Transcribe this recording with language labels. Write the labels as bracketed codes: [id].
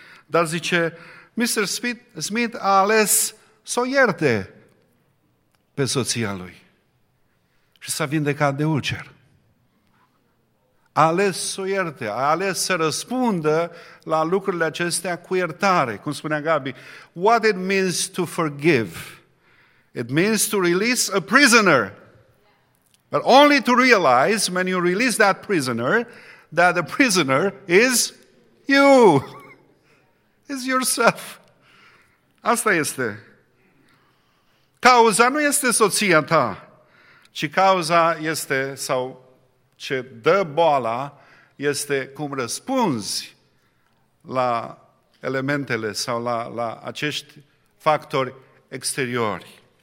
[ro] Dar zice, Mr. Smith a ales să o ierte pe soția lui și s-a vindecat de ulcer. A ales să o ierte, a ales să răspundă la lucrurile acestea cu iertare. Cum spunea Gabi, [en] what it means to forgive? It means to release a prisoner. But only to realize when you release that prisoner, that the prisoner is you. It's yourself. [ro] Asta este. Cauza nu este soția ta, ci cauza este, sau ce dă boala, este cum răspunzi la elementele sau la acești factori exteriori.